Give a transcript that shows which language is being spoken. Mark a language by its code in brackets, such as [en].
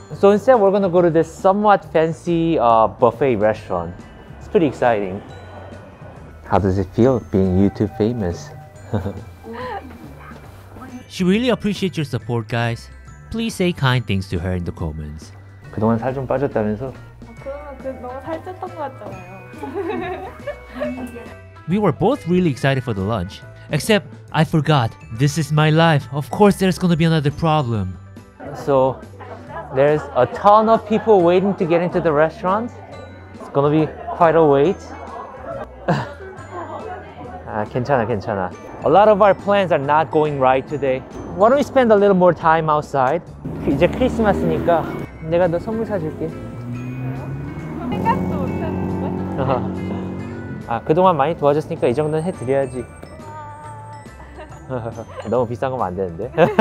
[en] So instead, we're gonna go to this somewhat fancy buffet restaurant. It's pretty exciting. How does it feel being YouTube famous? She really appreciates your support, guys. Please say kind things to her in the comments. [ko] 그동안 살 좀 빠졌다면서? 너무 살 쪘던 것 같잖아요. [en] We were both really excited for the lunch. Except, I forgot. This is my life. Of course, there's gonna be another problem. So, there's a ton of people waiting to get into the restaurant. It's gonna be quite a wait. [ko] 괜찮아, 괜찮아. [en] A lot of our plans are not going right today. Why don't we spend a little more time outside? [ko] 이제 크리스마스니까 내가 너 선물 사줄게. 생각도 못했는데? 아, 그동안 많이 도와줬으니까 이 정도는 해드려야지. 너무 비싼 거면 안 되는데?